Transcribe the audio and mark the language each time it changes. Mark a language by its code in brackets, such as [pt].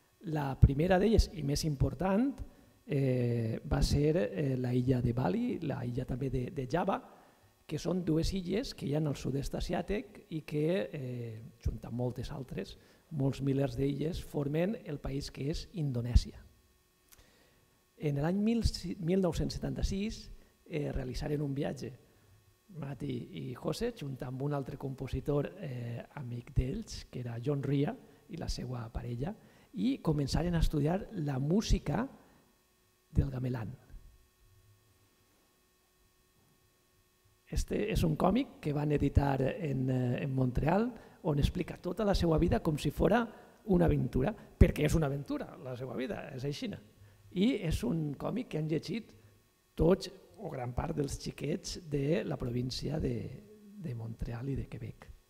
[ca] La primera d'elles, i més important, va ser la illa de Bali, la illa també de Java, que són dues illes que hi ha al sud-est asiàtic i que, junta amb moltes altres, molts milers d'illes, formen el país que és Indonèsia. En l'any 1976 realitzaren un viatge, Mati i José, junta amb un altre compositor amic d'ells, que era John Ria i la seva parella, [es] y comenzaron a estudiar la música del gamelán. Este es un cómic [ca] que van editar en Montreal, on explica toda la seva vida com si fora una aventura, perquè és una aventura la seva vida, és aixina. I és un còmic que han llegit tots o gran part dels xiquets de la província de Montreal i de Quebec.